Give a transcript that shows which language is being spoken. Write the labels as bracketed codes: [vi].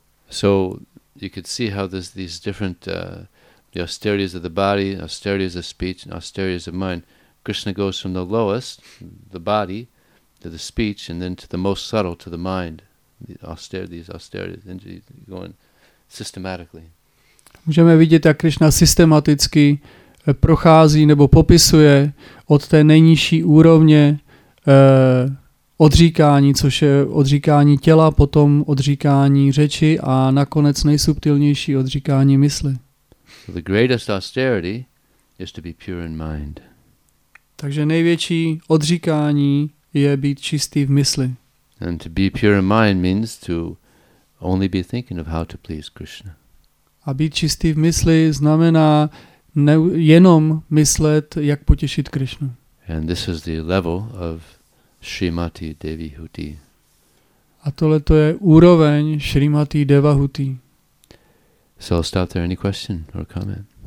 [en] So you could see how these different the austerities of the body, austerities of speech, and austerities of mind. Krishna goes from the lowest, the body, to the speech, and then to the most subtle, to the mind. These austerities, and he's going systematically. [cs] Můžeme vidět, jak Krishna systematicky prochází nebo popisuje od té nejnižší úrovně odříkání, což je odříkání těla, potom odříkání řeči a nakonec nejsubtilnější odříkání mysli. [en] So the greatest austerity is to be pure in mind. [cs] Takže největší odříkání je být čistý v mysli. [en] And to be pure in mind means to only be thinking of how to please Krishna. [cs] A být čistý v mysli znamená jenom myslet, jak potěšit Krishnu. [en] And this is the level of Srimati Devahuti. [cs] A tohle to je úroveň Srimati Devahuti. [en] So I'll stop there. Any question or comment?